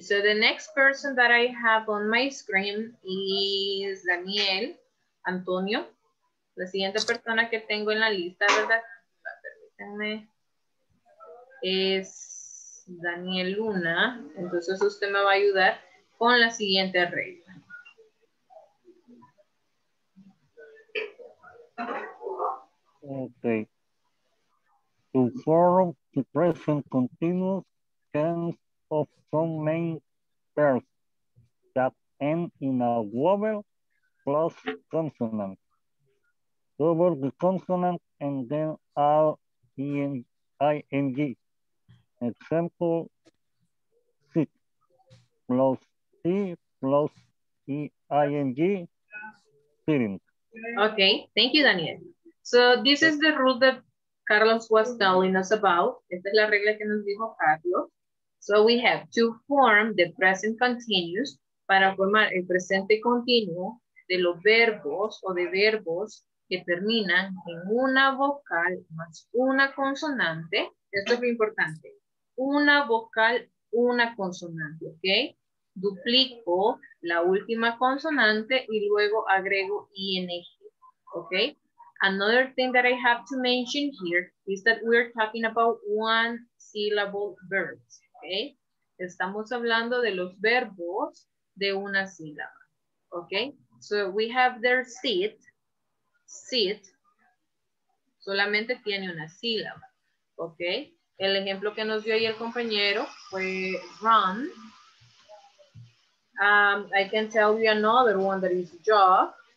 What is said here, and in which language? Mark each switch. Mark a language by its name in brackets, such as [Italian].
[English] So the next person that I have on my screen is Daniel Antonio. [Spanish] La siguiente persona que tengo en la lista, ¿verdad? Permítanme. Es Daniel Luna. Entonces usted me va a ayudar con la siguiente regla. [English] Okay. To form the present continuous tense of some main verbs that end in a vowel plus consonant. Double the consonant and then add ing. Example six plus C plus E-I-N-G, sitting. Okay, thank you, Daniel. So this is the rule that Carlos was telling us about. [Spanish] Esta es la regla que nos dijo Carlos. [English] So we have to form the present continuous, [Spanish] para formar el presente continuo de los verbos o de verbos que terminan en una vocal más una consonante. Esto es muy importante. Una vocal, una consonante, okay? Duplico la última consonante y luego agrego ing, okay? [English] Another thing that I have to mention here is that we're talking about one syllable verbs, okay? [Spanish] Estamos hablando de los verbos de una sílaba, okay? [English] So we have there sit, sit, [Spanish] solamente tiene una sílaba, [English] okay? [Spanish] El ejemplo que nos dio ahí el compañero fue run. [English] I can tell you another one that is jog.